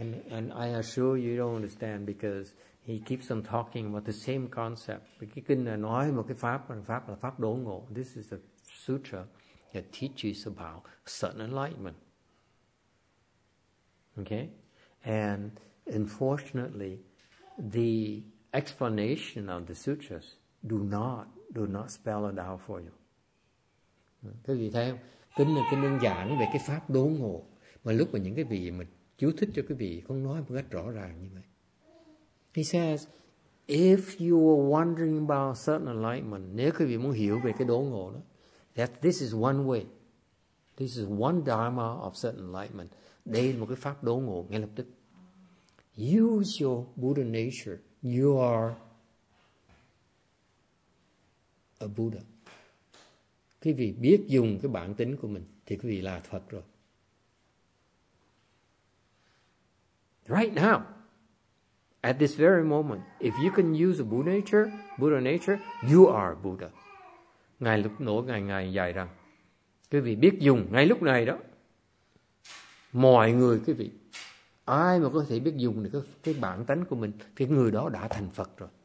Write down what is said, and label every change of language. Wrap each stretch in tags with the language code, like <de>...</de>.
<en>And I assure you don't understand because he keeps on talking about the same concept.</en> <vi>Cái kinh là nói một cái pháp là pháp đốn ngộ.</vi> <en>This is the sutra that teaches about sudden enlightenment. Okay? And unfortunately, the explanation of the sutras do not spell it out for you.</en> <vi>Thế vì thế, kinh là kinh đơn giản về cái pháp đốn ngộ. Mà lúc mà những cái vị mà chú thích cho cái vị không nói một cách rõ ràng như vậy.</vi> <en>He says, if you are wondering about certain enlightenment,</en> <vi>nếu quý vị muốn hiểu về cái đốn ngộ đó,</vi> <en>that this is one way. This is one dharma of certain enlightenment.</en> <vi>Đây là một cái pháp đốn ngộ ngay lập tức.</vi> <en>Use your Buddha nature. You are a Buddha.</en> <vi>Quý vị biết dùng cái bản tính của mình thì quý vị là Phật rồi.</vi> <en>Right now, at this very moment, if you can use a Buddha nature, you are a Buddha.</en> <vi>Ngài lúc nổ ngài dạy rằng, quý vị biết dùng ngay lúc này đó. Mọi người quý vị, ai mà có thể biết dùng được cái bản tánh của mình thì người đó đã thành Phật rồi.</vi>